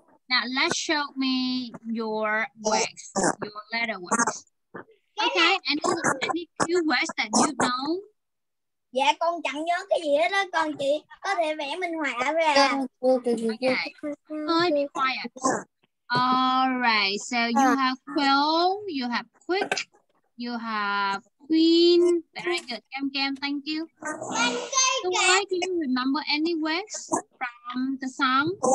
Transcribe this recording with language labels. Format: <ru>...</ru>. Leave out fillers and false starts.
<en>Now let's show me your words, your letter words. Okay, any few words that you know?</en> <vi>Dạ con chẳng nhớ cái gì hết đó con, chỉ có thể vẽ minh họa ra.</vi> <en>Okay. Be quiet. All right, so you have quill, you have quick, you have queen. Very good, Cam Cam, thank you. So why do you remember any words from the song?</en>